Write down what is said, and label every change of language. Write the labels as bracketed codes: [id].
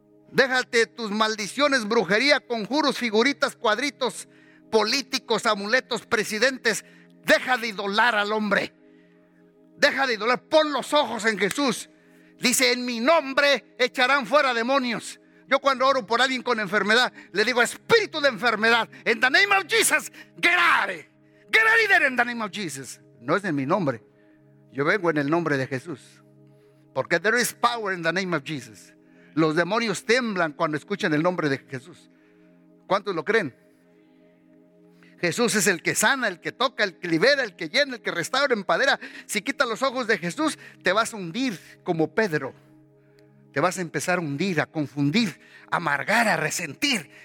[es] Déjate tus maldiciones, brujería, conjuros, figuritas, cuadritos, políticos, amuletos, presidentes. Deja de idolar al hombre. Deja de idolar. Pon los ojos en Jesús. Dice: en mi nombre echarán fuera demonios. Yo cuando oro por alguien con enfermedad, le digo: espíritu de enfermedad, [en] in the name of Jesus, get out. Get out of there in the name of Jesus. [es] No es en mi nombre. Yo vengo en el nombre de Jesús. Porque [en] there is power in the name of Jesus. [es] Los demonios tiemblan cuando escuchan el nombre de Jesús. ¿Cuántos lo creen? Jesús es el que sana, el que toca, el que libera, el que llena, el que restaura, empodera. Si quitas los ojos de Jesús, te vas a hundir como Pedro. Te vas a empezar a hundir, a confundir, a amargar, a resentir.